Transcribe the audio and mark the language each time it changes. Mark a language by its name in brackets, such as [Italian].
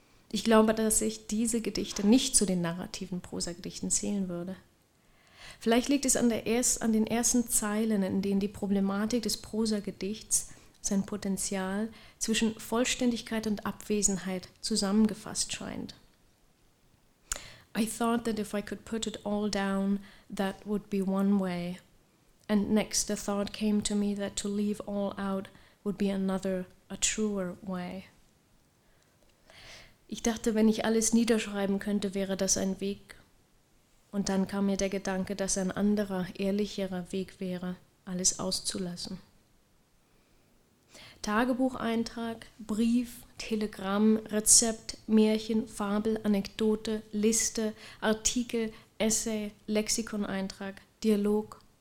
[German] Ich glaube, dass ich diese Gedichte nicht zu den narrativen Prosagedichten zählen würde. Vielleicht liegt es an den ersten Zeilen, in denen die Problematik des Prosagedichts, sein Potenzial, zwischen Vollständigkeit und Abwesenheit zusammengefasst scheint. [English] I thought that if I could put it all down, that would be one way. And next the thought came to me that to leave all out would be another, a truer way. [German] Ich dachte, wenn ich alles niederschreiben könnte, wäre das ein Weg. Und dann kam mir der Gedanke, dass ein anderer, ehrlicherer Weg wäre, alles auszulassen. Tagebucheintrag, Brief, Telegramm, Rezept, Märchen, Fabel, Anekdote, Liste, Artikel, Essay, Lexikoneintrag, Dialog.